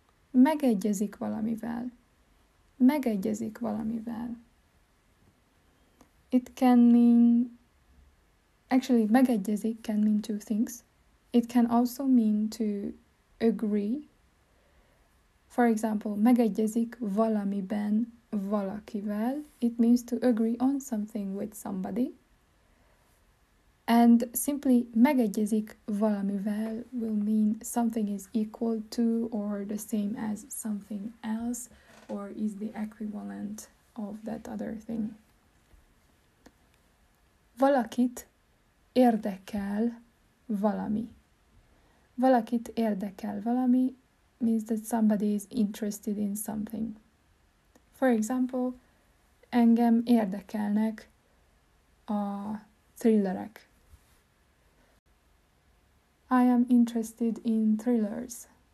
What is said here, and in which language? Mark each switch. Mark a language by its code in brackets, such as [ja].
[hu] Megegyezik valamivel. Megegyezik valamivel. [en] It can mean... Actually, megegyezik can mean two things. It can also mean to agree. For example, [hu] megegyezik valamiben valakivel. [en] It means to agree on something with somebody. And simply [hu] megegyezik valamivel [en] will mean something is equal to or the same as something else or is the equivalent of that other thing. [hu] Valakit érdekel valami. Valakit érdekel valami [en] means that somebody is interested in something. For example, [hu] engem érdekelnek a thrillerek. [en] I am interested in thrillers.